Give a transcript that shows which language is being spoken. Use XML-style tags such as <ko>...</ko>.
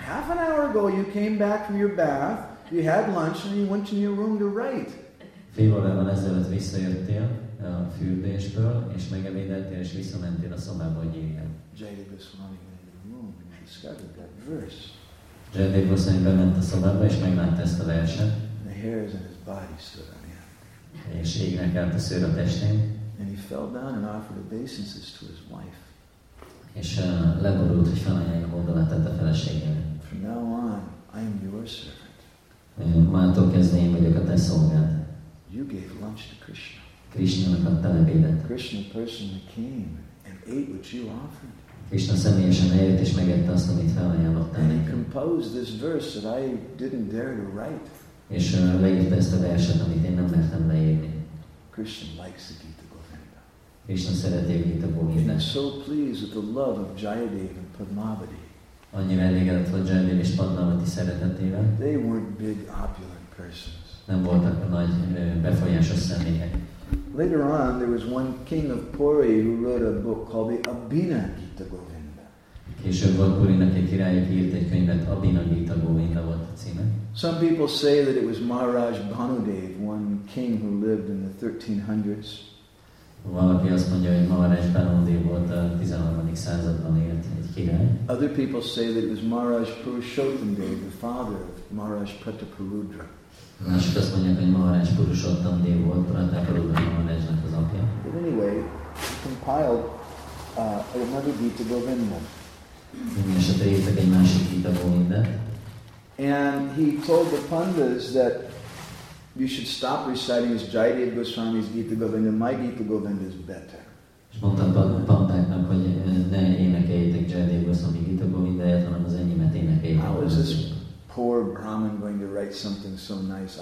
<en>Half an hour ago you came back from your bath, you had lunch, and you went to your room to write.</en> <hu>Fél órával ezelőtt visszajöttél a fürdésből, és megevédeltél, és visszamentél a szobába, hogy írjál.</hu> <en>Jayadev Goswami went to the room and discovered that verse.</en> <hu>Jayadev Goswami bement a szobába, és meglátta ezt a verset.</hu> <en>The hairs on his body stood on end.</en> <hu>És égnek állt a szőr a testén.</hu> <en>And he fell down and offered obeisances to his wife.</en> <hu>És leborult, hogy felajánlja oldalát tett a feleségére.</hu> <en>From now on, I am your servant.</en> <hu>Mától kezdve én vagyok a te szolgád.</hu> <en>You gave lunch to Krishna.</en> <hu>Krishna-nak adtál ebédet.</hu> <en>Krishna personally came and ate what you offered.</en> <hu>Krishna személyesen eljött és megette azt, amit felajánlottál.</hu> <en>And he composed this verse that I didn't dare to write.</en> <hu>És leírta ezt a verset, amit én nem mertem leírni.</hu> <en>Krishna likes the Gita Govinda.</en> <hu>Krishna szereti a Gita Govinda.</hu> <en>He's so pleased with the love of Jayadev and Padmavati.</en> <hu>Annyira elégedett, hogy Jayadev és Padmavati szeretetével.</hu> <en>They weren't big opulent persons.</en> <hu>Nem voltak nagy befolyásos személyek.</hu> <en>Later on, there was one king of Puri who wrote a book called the Abhina Gita Govinda.</en> <hu>Később volt Purinak egy király, aki írt egy könyvet, Abhina Gita Govinda volt a címe.</hu> <en>Some people say that it was Maharaj Bhanudev, one king who lived in the 1300s.</en> <hu>Valaki azt mondja, hogy Maharaj Bhanudev volt a 13. században élt egy király.</hu> <en>Other people say that it was Maharaj Purushottamdev, the father of Maharaj Prataparudra.</en> <hu>Mások azt mondják, hogy Maharaj Purushottamdev volt, Prataparudra Maharajnak az apja.</hu> <en>But anyway, he compiled another Gita Govinda.</en> <hu>Mindenesetre írtak egy másik Gita Govindát.</hu> <en>And he told the pandas that you should stop reciting as Jayadev Goswami's Gita Govinda. My Gita Govinda is better.</en> <hu>És mondtam a pandáknak, hogy ne énekeljétek Jayadev Goswami Gita Govindáját, hanem az enyémet énekeljétek.</hu> <en>How is this poor Brahmin going to write something so nice?</en>